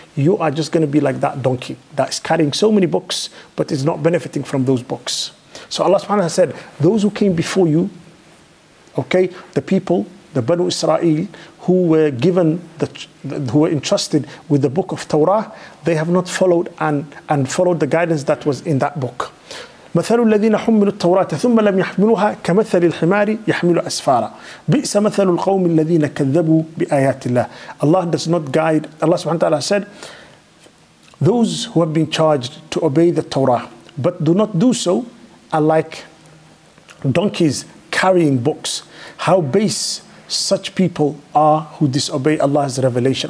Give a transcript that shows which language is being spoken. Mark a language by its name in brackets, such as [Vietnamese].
[English] You are just going to be like that donkey that is carrying so many books, but is not benefiting from those books. So Allah subhanahu wa ta'ala said, those who came before you, okay, the people, the Banu Israel, who were given, who were entrusted with the book of Torah, they have not followed and followed the guidance that was in that book. [Arabic] مثل الذين حملوا التوراة ثم لم يحملوها كمثل الحمار يحمل أسفارا بئس مثل القوم الذين كذبوا بآيات الله. [English] Allah does not guide. Allah subhanahu wa ta'ala said, those who have been charged to obey the Torah but do not do so are like donkeys carrying books. How base such people are who disobey Allah's revelation.